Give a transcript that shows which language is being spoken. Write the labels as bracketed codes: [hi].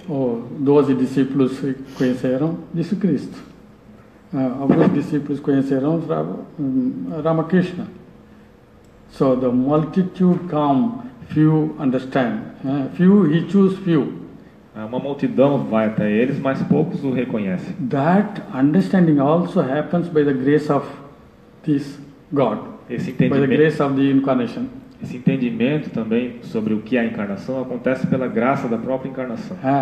[pt] Oh, 12 discípulos conheceram, disse Cristo. Alguns discípulos conheceram Ramakrishna. [en] So the multitude come, few understand. Few, he choose few. [pt] Uma multidão vai até eles, mas poucos o reconhecem. [en] That understanding also happens by the grace of this God. [pt] Esse entendimento. [en] By the grace of the incarnation. [pt] Esse entendimento também sobre o que é a encarnação acontece pela graça da própria encarnação.